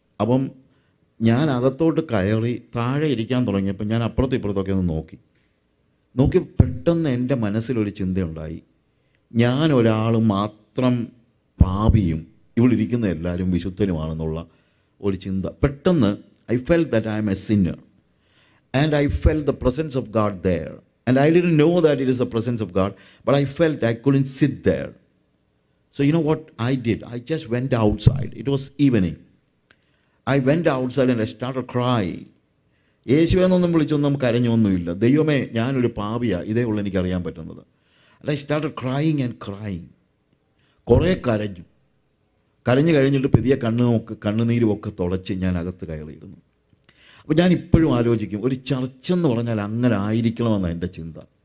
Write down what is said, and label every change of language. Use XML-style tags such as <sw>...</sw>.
<ml>അപ്പം ഞാൻ അകത്തോട്ട് കയറി താഴെ ഇരിക്കാൻ തുടങ്ങിയപ്പോൾ ഞാൻ അപ്പുറത്തും ഇപ്പുറത്തൊക്കെ ഒന്ന് നോക്കി പെട്ടെന്ന് എൻ്റെ മനസ്സിലൊരു ചിന്തയുണ്ടായി, ഞാൻ ഒരാൾ മാത്രം പാപിയും ഇവിടെ ഇരിക്കുന്ന എല്ലാവരും വിശുദ്ധനുമാണെന്നുള്ള ഒരു ചിന്ത.</ml> <en>പെട്ടെന്ന് I felt that I am a sinner and I felt the presence of God there. And I didn't know that it is the presence of God, but I felt I couldn't sit there. So you know what I did? I just went outside. It was evening. I went outside and I started crying.</en> <ml>യേശുവെന്നൊന്നും വിളിച്ചൊന്നും കരഞ്ഞൊന്നുമില്ല. ദൈവമേ ഞാനൊരു പാപിയാണ്, ഇതേ ഉള്ളൂ എനിക്കറിയാൻ പറ്റുന്നത്.</ml> <en>I started crying and crying.</en> <ml>കുറേ കരഞ്ഞു. കരഞ്ഞു കഴിഞ്ഞിട്ട് പുതിയ കണ്ണുനീരുമൊക്കെ തുളച്ച് ഞാൻ അകത്ത് കയറിയിരുന്നു. അപ്പോൾ ഞാൻ ഇപ്പോഴും ആലോചിക്കും, ഒരു ചർച്ചെന്ന് പറഞ്ഞാൽ അങ്ങനെ ആയിരിക്കണമെന്നാണ് എൻ്റെ ചിന്ത.</ml>